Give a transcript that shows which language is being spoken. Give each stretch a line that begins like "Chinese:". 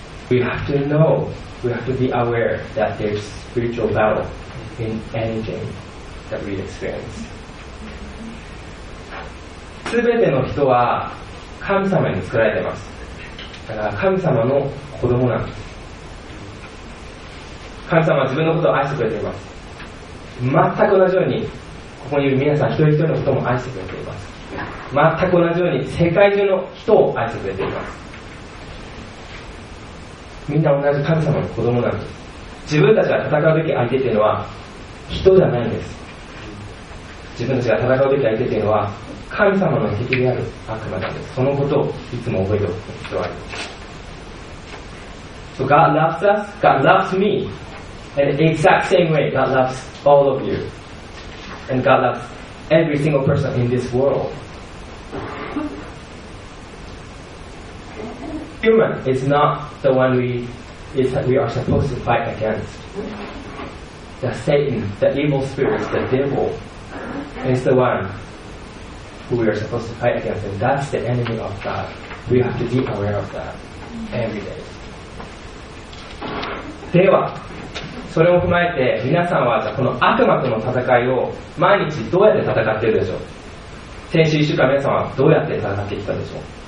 English: We have to know, we have to be aware that there's spiritual battle in anything. that we experience.
Japanese: 全ての人は神様に作られてます。だから神様の子供なんです。神様は自分のことを愛してくれています。全く同じようにここにいる皆さん一人一人のことも愛してくれています。全く同じように世界中の人を愛してくれています。みんな同じ神様の子供なんです。自分たちが戦うべき相手というのは人じゃないんです。自分たちが戦うべき相手というのは神様の敵である悪魔なんです。そのことをいつも覚えておく必要があります。
English: So God loves us, God loves me in the exact same way God loves all of you and God loves every single person in this world. Human is not the one we are supposed to fight against. The Satan, the evil spirits, the devil is the one who we are supposed to fight against, and that's the enemy of God. We have to be aware of that every day.
Japanese: ではそれを踏まえて皆さんはじゃこの悪魔との戦いを毎日どうやって戦っているでしょう。先週1週間皆さんはどうやって戦ってきたでしょう。